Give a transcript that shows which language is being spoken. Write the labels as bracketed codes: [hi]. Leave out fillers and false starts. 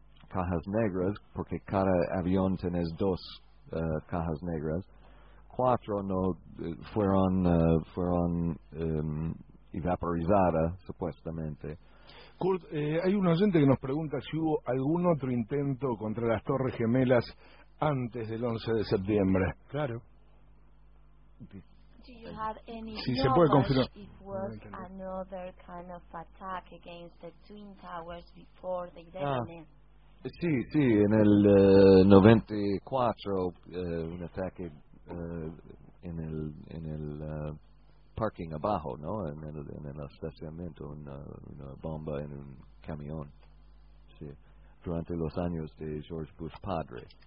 [es] cajas negras, porque cada avión tiene dos cajas negras, cuatro no fueron evaporizadas supuestamente. Kurt, hay un oyente que nos pregunta si hubo algún otro intento contra las Torres Gemelas antes del 11 de septiembre. Claro. Si se puede confirmar. [en] It was another kind of attack against the Twin Towers before the detonation. [es] Sí, sí, en el 94 un ataque en el parking abajo, ¿no? En el estacionamiento, una bomba en un camión. Sí, durante los años de George Bush padre.